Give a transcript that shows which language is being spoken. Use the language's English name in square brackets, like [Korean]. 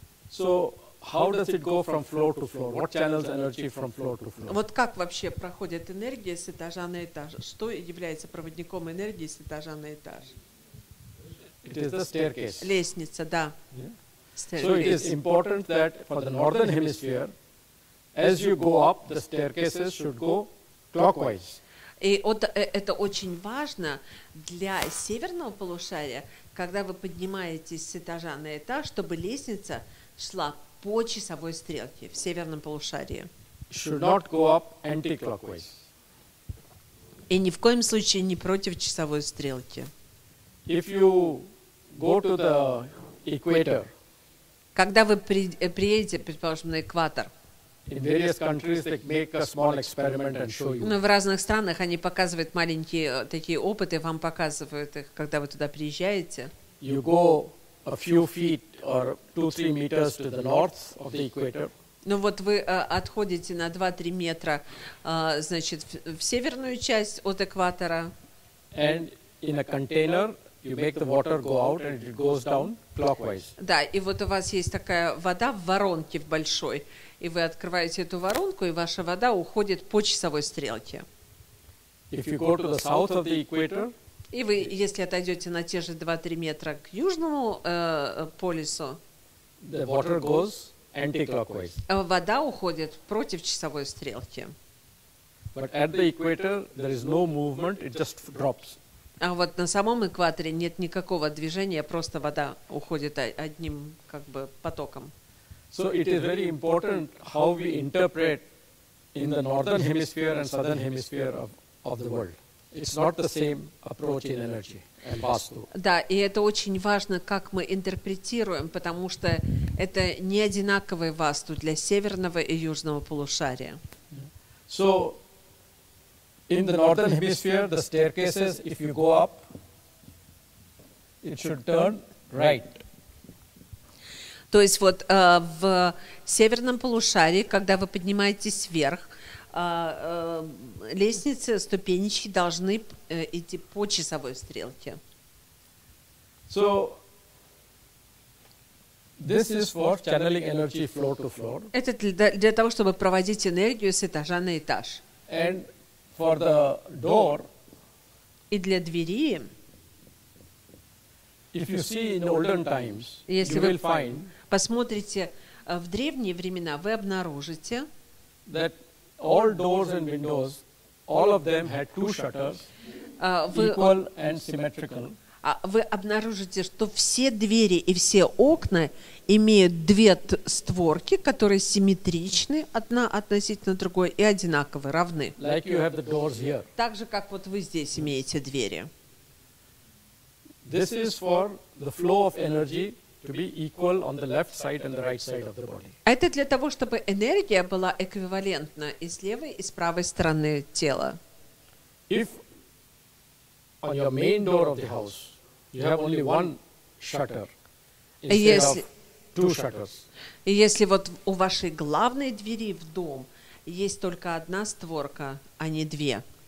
[English] So how does it go from floor to floor? What channels energy from floor to floor? [Russian] Вот как вообще проходит энергия с этажа на этаж? Что является проводником энергии с этажа на этаж? [English] It is the staircase. [Russian] Лестница, да. [English] Yeah. So it is important that for the northern hemisphere, as you go up, the staircases should go clockwise. [Russian] И вот это очень важно для северного полушария, когда вы поднимаетесь с этажа на этаж, чтобы лестница шла по часовой стрелке в северном полушарии. [English] Should not go up anti-clockwise. [Russian] И ни в коем случае не против часовой стрелки. [English] If you go to the equator, [Russian] когда вы приедете, предположим, на экватор, [English] in various countries they make a small experiment and show you. [Russian] Ну, в разных странах они показывают маленькие такие опыты, вам показывают их, когда вы туда приезжаете. [English] You go a few feet or 2-3 meters to the north of the equator. [Russian] Ну вот вы отходите на 2-3 метра, значит, в северную часть от экватора. [English] And in a container, you make the water go out and it goes down clockwise. [Russian] Да, и вот у вас есть такая вода в воронке в большой, и вы открываете эту воронку, и ваша вода уходит по часовой стрелке. [English] If you go to the south of the equator, [Russian] и вы, если отойдете на те же 2-3 метра к южному полюсу, [English] the water goes anti-clockwise. [Russian] Вода уходит против часовой стрелки. [English] But at the equator, there is no movement, it just drops. [Russian] А вот на самом экваторе нет никакого движения, просто вода уходит одним как бы потоком. [English] So it is very important how we interpret in the northern hemisphere and southern hemisphere of the world. It's not the same approach in energy and vastu. [Russian] Да, и это очень важно, как мы интерпретируем, потому что это не одинаковые васту для северного и южного полушария. [English] So in the northern hemisphere, the staircases, if you go up, it should turn right. [Russian] То есть вот в северном полушарии, когда вы поднимаетесь вверх, лестницы, ступенечки должны идти по часовой стрелке. [English] So this is for channeling energy floor to floor. [Russian] Это для того, чтобы проводить энергию с этажа на этаж. [English] And for the door. [Russian] И для двери. [English] If you see in olden times, you will find. [Russian] Посмотрите в древние времена, вы обнаружите, [English] that all doors and windows, all of them had two shutters, equal and symmetrical. [Russian] Вы обнаружите, что все двери и все окна имеют две створки, которые симметричны одна относительно другой и одинаковы, равны. [English] Like you have the doors here. [Russian] Так же, как вот вы здесь имеете двери. [English] This is for the flow of energy to be equal on the left side and the right side of the body. [Russian] Это для того, чтобы энергия была эквивалентна и с левой, и с правой стороны тела. [English] If on your main door of the house you have only one shutter instead of two shutters. [Russian] Если вот у вашей главной двери в дом есть только одна створка, а не две.